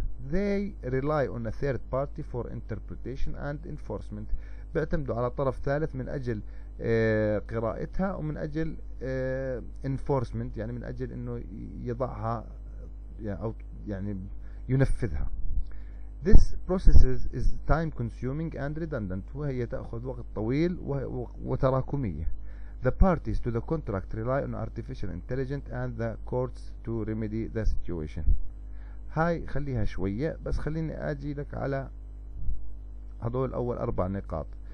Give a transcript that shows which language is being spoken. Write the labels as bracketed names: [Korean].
[English] They rely on a third party for interpretation and enforcement. [Arabic] بيعتمدوا على طرف ثالث من أجل قراءتها ومن أجل enforcement يعني من أجل إنه يضعها أو يعني ينفذها. [English] This process is time consuming and redundant. [Arabic] وهي تأخذ وقت طويل وتراكمية. [English] The parties to the contract rely on artificial intelligence and the courts to remedy the situation. [Arabic] هاي خليها شوية بس خليني أجي لك على هذول أول أربع نقاط.